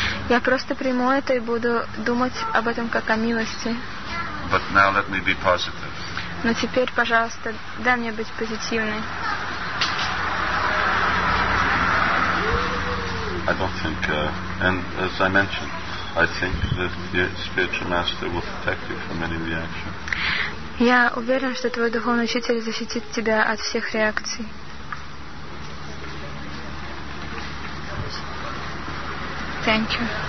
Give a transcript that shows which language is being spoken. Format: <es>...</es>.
<ru>Я просто приму это и буду думать об этом как о милости.</ru> <en>But now let me be positive.</en> <ru>Но теперь, пожалуйста, дай мне быть позитивной.</ru> <en>I don't think, and as I mentioned, I think that the spiritual master will protect you from any reaction.</en> <ru>Я уверен, что твой духовный учитель защитит тебя от всех реакций.</ru> <en>Thank you.</en>